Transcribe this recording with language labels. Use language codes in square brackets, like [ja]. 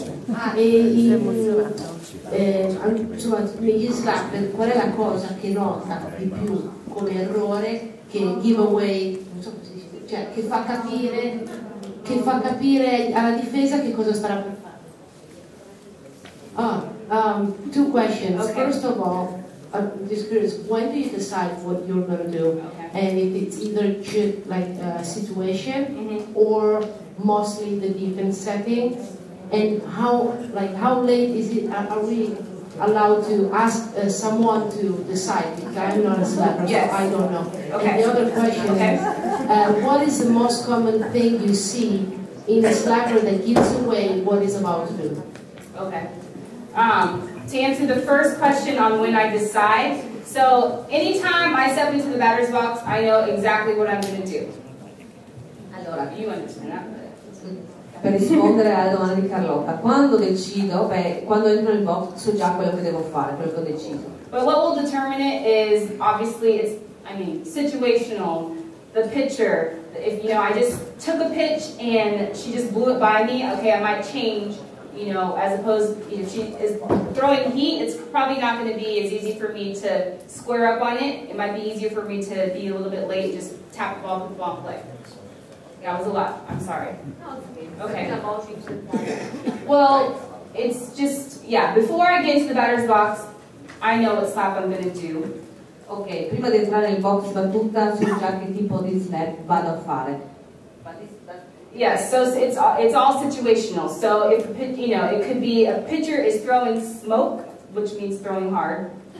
[it] Ah, insomma, negli slap, qual è la cosa che nota di più come errore, che giveaway, non so come si dice, cioè che fa capire alla difesa che cosa starà per fare? [en] Two questions. Okay. First of all, I'm just curious, when do you decide what you're going to do? Okay. And if it's either just like a situation or mostly the defense setting, and how late is it, are we allowed to ask someone to decide? Because I'm not a slapper, yes. So I don't know. Okay. And the other question is, what is the most common thing you see in a slapper that gives away what is about to do. Okay. To answer the first question on when I decide, so anytime I step into the batter's box, I know exactly what I'm going to do. [it] Allora, [en] you understand that? [it] Per rispondere alla domanda di Carlotta, quando decido, beh, quando entro nel box so già quello che devo fare, quello che ho deciso. [en] But what will determine it is obviously it's, I mean, situational. The pitcher, if you know, I just took a pitch and she just blew it by me, okay, I might change, you know, as opposed, you know, she is throwing heat, it's probably not going to be as easy for me to square up on it. It might be easier for me to be a little bit late, just tap the ball, put the ball in play. Yeah, it was a lot. I'm sorry. No, it's okay. Okay. Well, it's just, yeah, before I get into the batter's box, I know what slap I'm going to do. [it] Okay, prima di entrare nel box battuta, so già che tipo di slap vado a fare. [en] Yes, so it's all situational. So, if you know, it could be a pitcher is throwing smoke, which means throwing hard.